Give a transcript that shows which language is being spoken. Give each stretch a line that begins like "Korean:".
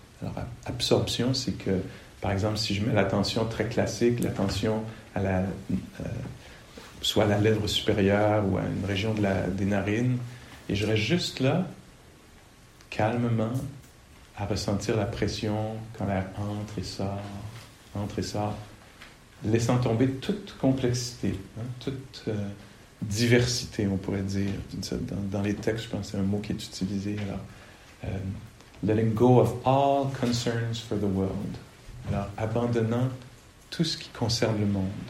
French: Alors, absorption, c'est que, par exemple, si je mets l'attention très classique, l'attention à soit à la lèvre supérieure ou à une région des narines, et je reste juste là, calmement, à ressentir la pression quand l'air entre et sort, laissant tomber toute complexité, hein, toute diversité, on pourrait dire. Dans les textes, je pense que c'est un mot qui est utilisé.
English: Alors, letting go of all concerns for the world.
French: Alors, abandonnant tout ce qui concerne le monde.